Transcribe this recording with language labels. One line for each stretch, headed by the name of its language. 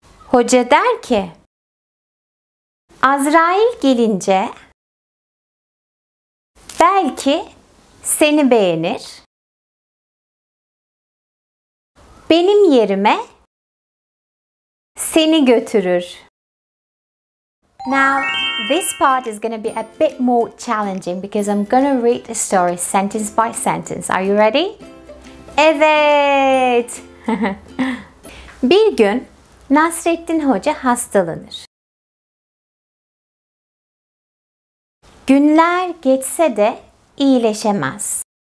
Turkish: Hoca der ki, Azrail gelince belki seni beğenir. Benim yerime seni götürür.
English: Now, this part is going to be a bit more challenging because I'm going to read the story sentence by sentence. Are you ready?
Turkish: Evet! Bir gün Nasreddin Hoca hastalanır. Günler geçse de iyileşemez.